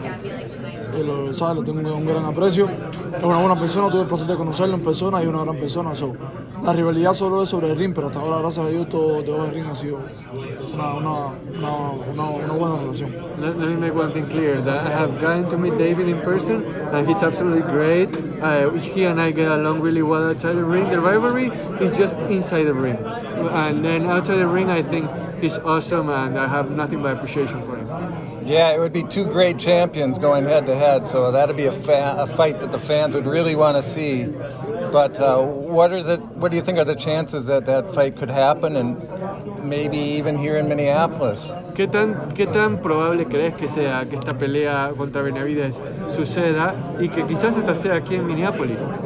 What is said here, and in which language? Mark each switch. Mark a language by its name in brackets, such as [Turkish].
[Spanish] Like, lo sabe, lo tengo un gran aprecio. Es una buena persona, tuve el placer de conocerlo en persona y una gran persona. So, la rivalidad solo es sobre el ring, pero hasta ahora, gracias a Dios, todo el ring ha sido una buena relación. [English] Let me make one thing clear, that I have gotten to meet David in person, and he's absolutely great. He and I get along really well outside the ring. The rivalry is just inside the ring. And then outside the ring, I think he's awesome, and I have nothing but appreciation for him. Yeah, it would be two great champions going head-to-head, so that would be a fight that the fans would really want to see. But what do you think are the chances that fight could happen, and maybe even here in Minneapolis? [Spanish] ¿Qué tan probable crees que sea que esta pelea contra Benavidez suceda y que quizás hasta sea aquí en Minneapolis?